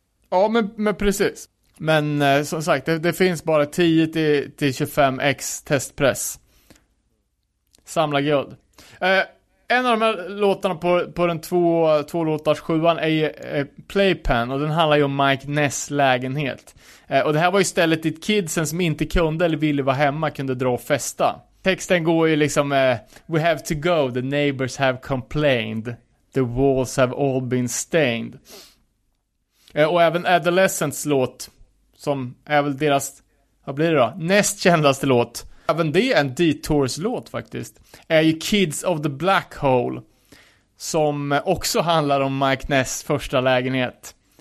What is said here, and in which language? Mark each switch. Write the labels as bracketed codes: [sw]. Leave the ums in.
[sv] Ja, men, men precis. Men eh, som sagt, det, det finns bara 10 till, till 25 x testpress. Samla guld. Eh, en av de här låtarna på, på den två, två låtars sjuan är ju eh, Playpen och den handlar ju om Mike Ness lägenhet. Eh, och det här var ju stället dit kidsen som inte kunde eller ville vara hemma kunde dra och festa. Texten går ju liksom eh, [en] We have to go, the neighbors have complained. The walls have all been stained. [sv] Eh, Och även Adolescents låt, som är väl deras, vad blir det då? Näst kändaste låt. Även det är en Detours-låt faktiskt. Är ju Kids of the Black Hole. Som eh, också handlar om Mike Ness första lägenhet.